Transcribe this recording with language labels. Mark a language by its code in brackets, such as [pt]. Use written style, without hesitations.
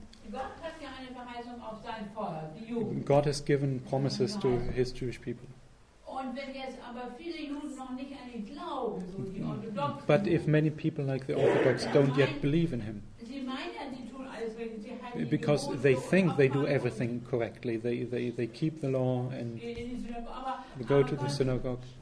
[de] Gott hat ja eine Verheißung auf sein Volk, die Juden. [en] God has given promises to his Jewish people. [de] Und wenn jetzt aber viele Juden noch nicht an ihn glauben, so die Orthodoxen. [en] But if many people like the Orthodox don't yet believe in him. [de] Sie meinen ja, sie tun alles, wenn sie heiligen. [en] Because they think they do everything correctly. They keep the law and go to the synagogue.